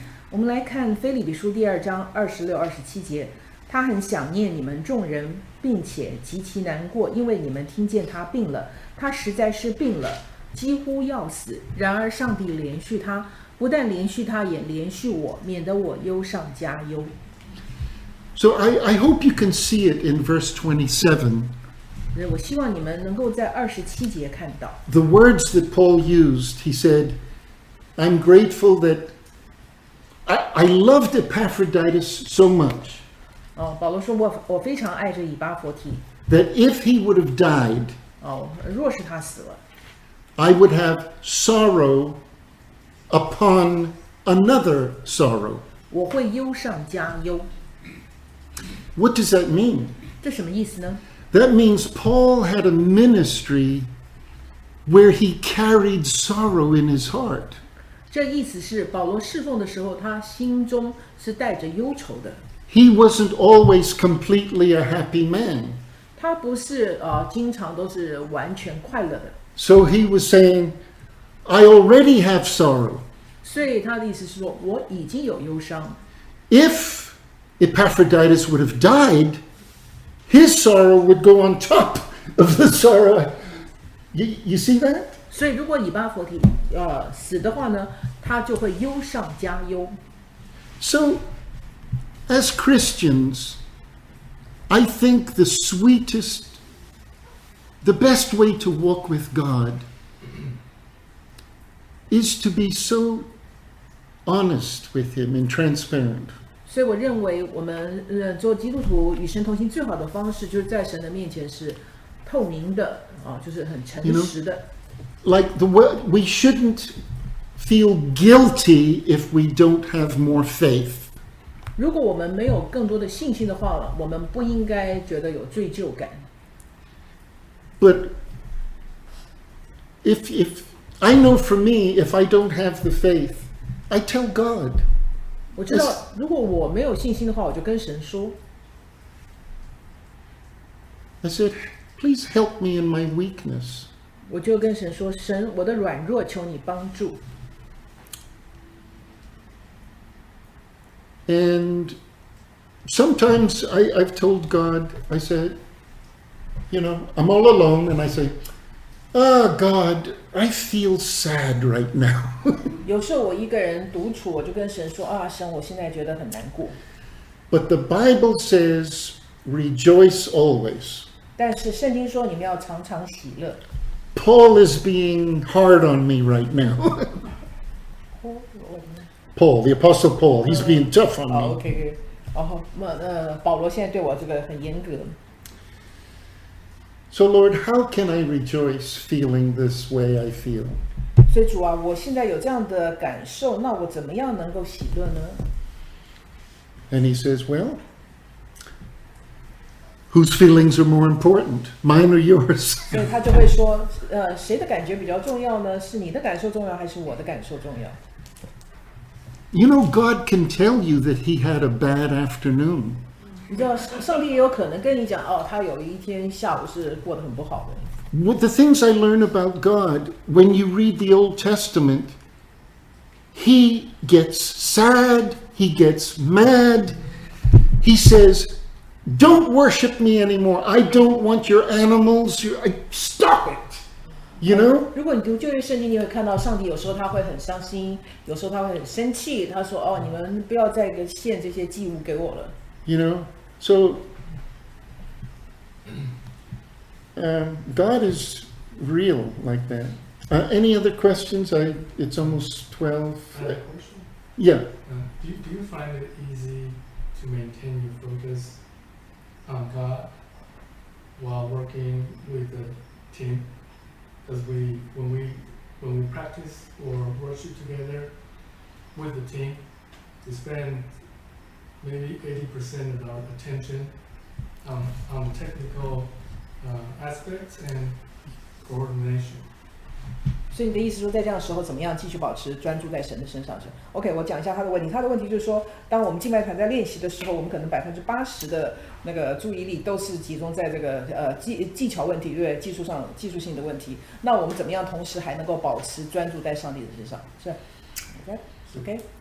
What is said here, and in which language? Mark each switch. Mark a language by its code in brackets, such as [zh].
[zh] 我们来看腓立比书第二章二十六二十七节，他很想念你们众人，并且极其难过，因为你们听见他病了，他实在是病了，几乎要死。然而上帝连续他，不但连续他，也连续我，免得我忧上加忧。 [en] So I hope you can see it in verse 27. [zh] 我希望你们能够在27节看到。 [en] The words that Paul used, he said, I'm grateful that I loved Epaphroditus so much. [zh] 哦，保罗说我非常爱这以巴弗提。 [en] That if he would have died, [zh] 哦，若是他死了。 [en] I would have sorrow upon another sorrow. [zh] 我会忧上加忧。 [en] What does that mean? [zh] 这什么意思呢? [en] That means Paul had a ministry where he carried sorrow in his heart. [zh] 这意思是保罗侍奉的时候他心中是带着忧愁的。 [en] He wasn't always completely a happy man. [zh] 他不是经常都是完全快乐的。 [en] So he was saying, I already have sorrow. [zh] 所以他的意思是说我已经有忧伤。 [en] If Epaphroditus would have died, his sorrow would go on top of the sorrow. You see that? [zh] 所以如果以巴弗提死的话呢，他就会忧上加忧。 [en] So, as Christians, I think the sweetest, the best way to walk with God is to be so honest with Him and transparent. [zh] 所以我认为我们做基督徒与神同行最好的方式就是在神的面前是透明的、就是很诚实的。 [en] You know, like the word, we shouldn't feel guilty if we don't have more faith. [zh] 如果我们没有更多的信心的话，我们不应该觉得有罪疚感。 [en] But if I know for me, if I don't have the faith, I tell God. [zh] 我知道如果我没有信心的话我就跟神说。 [en] I said, please help me in my weakness. [zh] 我就跟神说神我的软弱求你帮助。 [en] And sometimes I've told God, I said, you know, I'm all alone and I say,God, I feel sad right now. [zh] 有时候我一个人独处，我就跟神说啊，神，我现在觉得很难过。 [en] But the Bible says, rejoice always. [zh] 但是圣经说你们要常常喜乐。 [en] Paul is being hard on me right now. Paul, the Apostle Paul, he's being tough on me. [zh] Okay. 保罗现在对我这个很严格。 [en] So Lord, how can I rejoice feeling this way I feel? [zh] 所以主啊，我现在有这样的感受，那我怎么样能够喜乐呢？ [en] And he says, well, whose feelings are more important, mine or yours? [zh] 所以他就会说，谁的感觉比较重要呢？是你的感受重要，还是我的感受重要？ [en] You know, God can tell you that he had a bad afternoon. [zh] 你知道，上帝也有可能跟你讲，哦，他有一天下午是过得很不好的。 [en] Well, the things I learn about God, when you read the Old Testament, he gets sad, he gets mad, he says, "Don't worship me anymore. I don't want your animals. Stop it." You know? [zh] 如果你读旧约圣经，你会看到上帝有时候他会很伤心，有时候他会很生气。他说，哦，你们不要再献这些祭物给我了。 [en] You know, so God is real like that. Any other questions? It's almost 12. I have a question. Yeah. Do you find it easy to maintain your focus on God while working with the team? Because when we practice or worship together with the team, we spend... maybe 80% of our attention on the technical aspects and coordination. [zh] 所以你的意思是说在这样的时候怎么样继续保持专注在神的身上是 OK, 我讲一下他的问题。他的问题就是说当我们敬拜团在练习的时候我们可能 80% 的那个注意力都是集中在这个技巧问题对不对技术性的问题。那我们怎么样同时还能够保持专注在上帝的身上是 OK?